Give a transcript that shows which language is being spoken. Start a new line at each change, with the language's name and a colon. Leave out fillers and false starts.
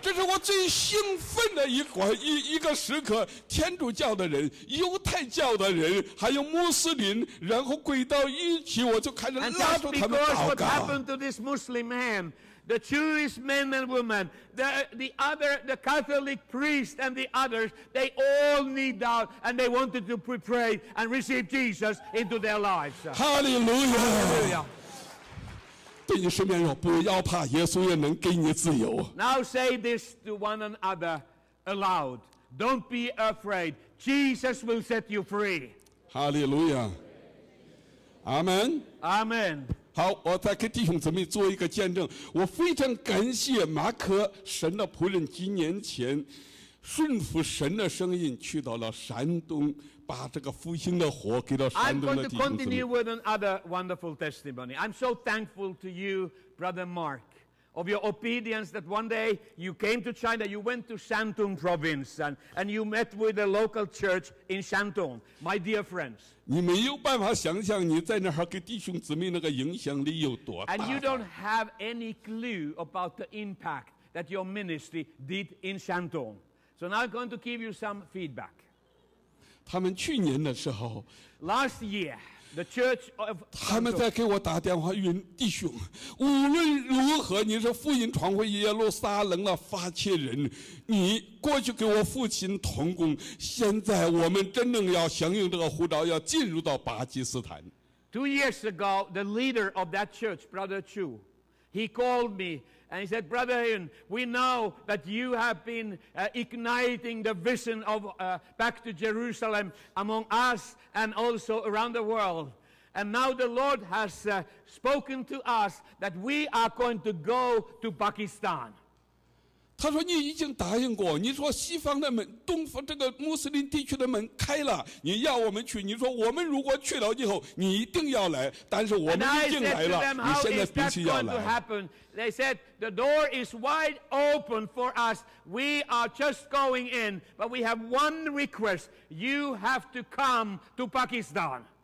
Chinese: 这是我最兴奋的一个时刻。天主教的人、犹太教的人，还有穆斯林，然后归到一起，我就开始拉住他们祷告。
English: And that's because what happened to this Muslim man, the Jewish men and women, the other, the Catholic priest and the others, they all kneeled down and they wanted to pray and receive Jesus into their lives.
Chinese: 哈利路亚。对你身边说，不要怕，耶稣也能给你自由。
English: Now say this to one another aloud. Don't be afraid. Jesus will set you free. Hallelujah. Amen. Amen.
Chinese: 好，我再给弟兄姊妹做一个见证。我非常感谢马可，神的仆人，几年前顺服神的声音，去到了山东。把这个复兴的火给到山东的弟兄姊妹。
English: I'm going to continue with another wonderful testimony. I'm so thankful to you, Brother Mark, of your obedience that one day you came to China, you went to Shantung province, and you met with a local church in Shantung, my dear friends.
Chinese: 你没有办法想象你在那儿给弟兄姊妹那个影响力有多大。
English: And you don't have any clue about the impact that your ministry did in Shantung. So now I'm going to give you some feedback.
Chinese: 他们去年的时候
English: ，Last year, the church of
Chinese: 他们在给我打电话，云弟兄，无论如何，你是福音传回耶路撒冷了，发起人，你过去给我父亲同工，现在我们真正要响应这个呼召，要进入到巴基斯坦。
English: 2 years ago, the leader of that church, Brother Chu, he called me. And he said, Brother Hyun, we know that you have been igniting the vision of back to Jerusalem among us and also around the world. And now the Lord has spoken to us that we are going to go to Pakistan.
Chinese: 他说你已经答应过，你说西方的门，东方这个穆斯林地区的门开了，你要我们去，你说我们如果去了以后，你一定要来，但是我们已经来了，你现在必须要来。
English: They said, the door is wide open for us. We are just going in. But we have one request. You have to come to Pakistan.